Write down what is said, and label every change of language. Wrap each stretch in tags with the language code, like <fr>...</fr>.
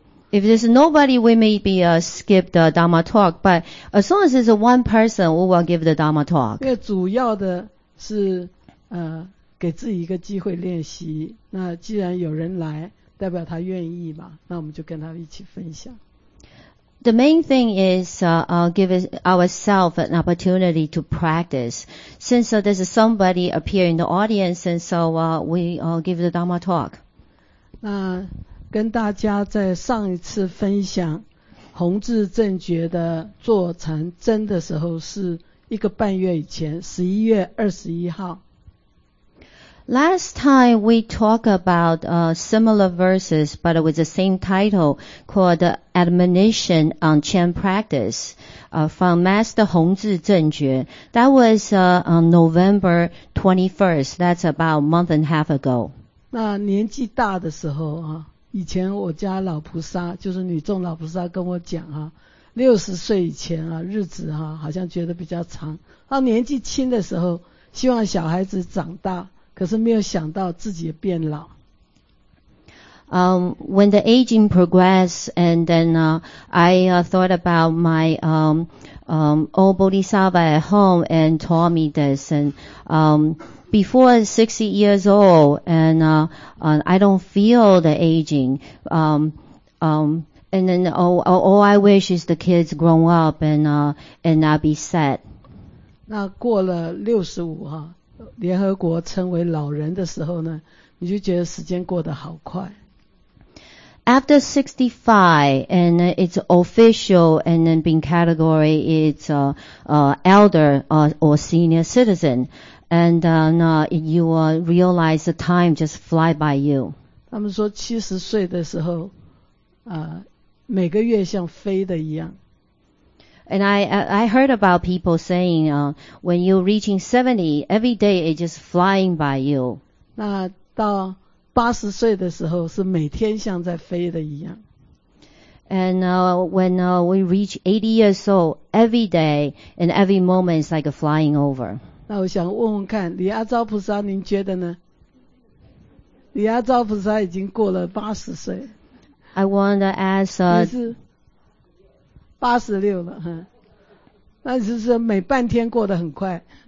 <en>If there's nobody, we may be skip the Dharma talk. But as long as it's one person, we will give the Dharma talk.</en> <zh>因为主要的是给自己一个机会练习，那既然有人来，代表他愿意嘛，那我们就跟他一起分享。</zh> <en>The main thing is give ourselves an opportunity to practice. Since there's somebody appear in the audience, and so we give the Dharma talk.</en> <zh>那跟大家在上一次分享弘智正觉的坐禅真的时候，是一个半月以前，11月21号。</zh> <en>Last time we talked about similar verses, but with the same title, called the Admonition on Chan Practice from Master Hongzhi Zhenjue. That was on November 21st. That's about a month and a half ago.</en> <zh>那年纪大的时候啊，以前我家老菩萨就是女众老菩萨跟我讲啊，六十岁以前啊，日子啊好像觉得比较长。到年纪轻的时候，希望小孩子长大。可是没有想到自己也变老。</zh> <en>When the aging progressed, and then I thought about my old Bodhisattva at home and taught me this. And before 60 years old, and I don't feel the aging. And then all I wish is the kids grown up and I'll be sad.</en> <zh>那过了65哈。联合国称为老人的时候呢，你就觉得时间过得好快。</zh> <en>After 65, and it's official, and then being category is elder or senior citizen, and then you will realize the time just fly by you.</en> <zh>他们说70岁的时候，每个月像飞的一样。</zh> <en>And I heard about people saying, when you're reaching 70, every day is just flying by you.</en> <zh>那到80岁的时候是每天像在飞的一样。</zh> <en>And when we reach 80 years old, every day and every moment is like a flying over.</en> <zh>那我想问问看，李阿昭菩萨您觉得呢？李阿昭菩萨已经过了80岁。</zh> <en>I want to ask...</en> <zh>86了，那就是每半天过得很快。</zh>